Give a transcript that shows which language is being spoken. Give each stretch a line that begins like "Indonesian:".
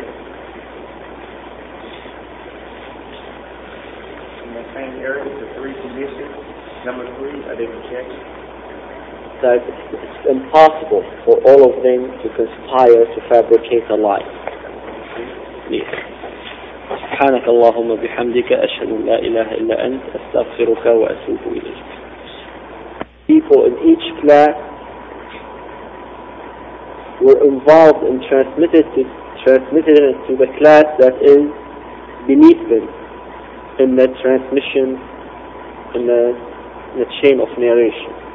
English: In the same area, the three conditions, number three, are they rejected? That it's impossible for all of them to conspire to fabricate a lie. Yes.
Arabic: سبحانك اللهم بحمدك أشهد أن لا إله إلا أنت أستغفرك وأتوب إليك.
English: People in each class were involved and transmitted it to the class that is beneath them in the transmission, in the chain of narration.